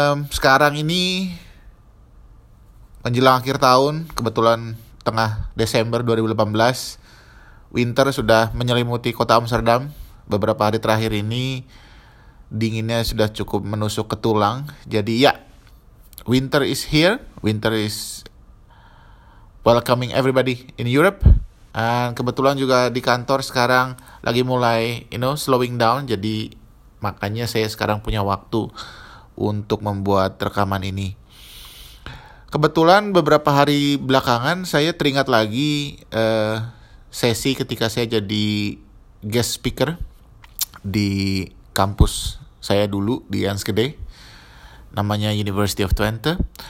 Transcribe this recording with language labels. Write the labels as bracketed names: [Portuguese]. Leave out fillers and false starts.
[Indonesian] Sekarang ini menjelang akhir tahun, kebetulan tengah Desember 2018, winter sudah menyelimuti kota Amsterdam. Beberapa hari terakhir ini dinginnya sudah cukup menusuk ke tulang. Jadi ya, [English] winter is here. Winter is welcoming everybody in Europe. [Indonesian] And kebetulan juga di kantor sekarang lagi mulai, [English] you know, slowing down. [Indonesian] Jadi makanya saya sekarang punya waktu untuk membuat rekaman ini. Kebetulan beberapa hari belakangan saya teringat lagi sesi ketika saya jadi guest speaker di kampus saya dulu di Enschede, namanya University of Twente.